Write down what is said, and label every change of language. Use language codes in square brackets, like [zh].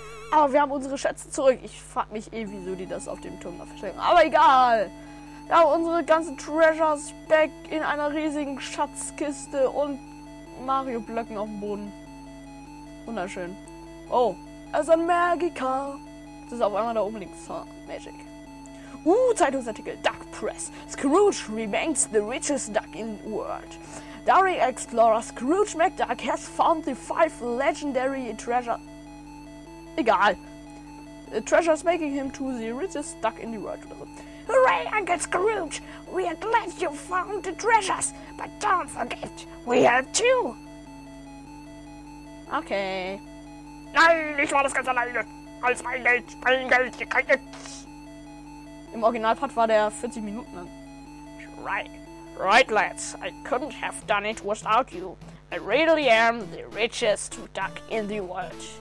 [de] Aber wir haben unsere Schätze zurück. Ich frag mich eh, wieso die das auf dem Turm da verstecken. Aber egal. Ja, unsere ganzen Treasures back in einer riesigen Schatzkiste und Mario-Blöcken auf dem Boden. Wunderschön. Oh, also ein Magica. Das ist auf einmal da oben links. Huh? Magic. Zeitungsartikel. Duck Press. [en] Scrooge remains the richest duck in the world. Daring Explorer Scrooge McDuck has found the 5 legendary treasure. Egal. The treasure is making him to the richest duck in the world. Hooray, Uncle Scrooge! We are glad you found the treasures! But don't forget, we have 2! Okay. [de] Nein, ich war das ganz alleine! Als mein Geld, ihr kriegt nichts! Im Originalpart war der 40 Minuten lang. [en] Right, lads. I couldn't have done it without you. I really am the richest duck in the world.